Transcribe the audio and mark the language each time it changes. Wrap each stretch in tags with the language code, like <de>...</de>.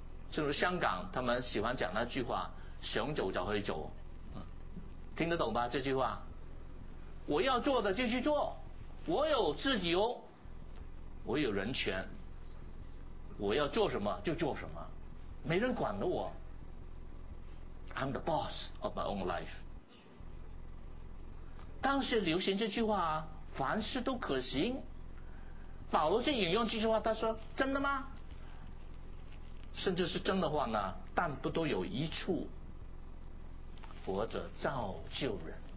<zh>正如香港他们喜欢讲那句话，想走就去走，听得懂吧？这句话，我要做的就去做，我有自由，我有人权，我要做什么就做什么，没人管了我。</zh> <en>I'm the boss of my own life。</en> <zh>当时流行这句话，凡事都可行。保罗就引用这句话，他说真的吗？甚至是真的话呢，但不都有一处，活着造就人。</zh>